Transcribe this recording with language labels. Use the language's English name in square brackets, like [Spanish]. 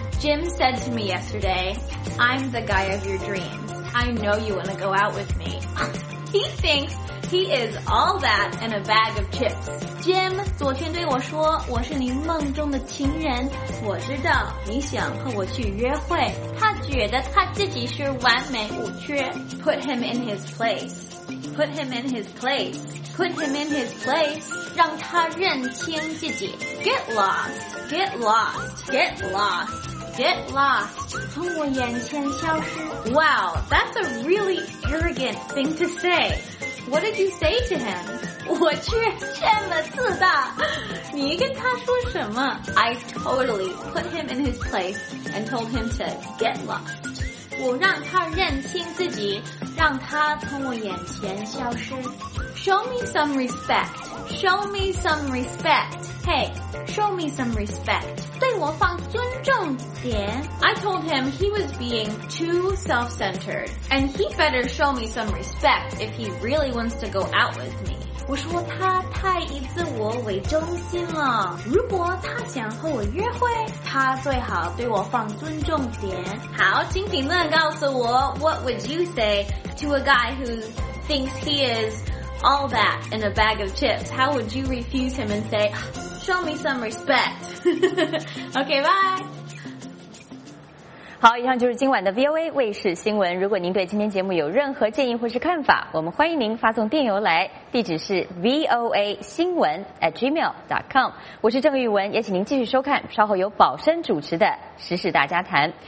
[English] Jim said to me yesterday, I'm the guy of your dreams. I know you want to go out with me. He thinks He is all that in a bag of chips. [Chinese] Jim 昨天对我说，我是你梦中的情人，我知道你想和我去约会。他觉得他自己是完美无缺。 [English] Put him in his place. Put him in his place. Put him in his place. [Chinese] 让他认清自己。 [English] Get lost. Get lost. Get lost. Get lost. [Chinese] 从我眼前消失。 [English] Wow, that's a really arrogant thing to say. What did you say to him? [Chinese] 我去，这么自大，你跟他说什么？ [English] I totally put him in his place and told him to get lost. [Chinese] 我让他认清自己，让他从我眼前消失。 [English] Show me some respect. Show me some respect. Hey, show me some respect. [Chinese] 对我放尊重点。 [English] I told him he was being too self-centered. And he better show me some respect if he really wants to go out with me. [Chinese] 我说他太以自我为中心了。如果他想和我约会，他最好对我放尊重点。好，请评论告诉我 [English] ,what would you say to a guy who thinks he is... All that in a bag of chips. How would you refuse him and say, show me some respect? Okay, bye. [Chinese] 好，以上就是今晚的 VOA 卫视新闻。如果您对今天节目有任何建议或是看法，我们欢迎您发送电邮来，地址是 voa.gmail.com。我是郑玉文，也请您继续收看稍后由宝生主持的时事大家谈。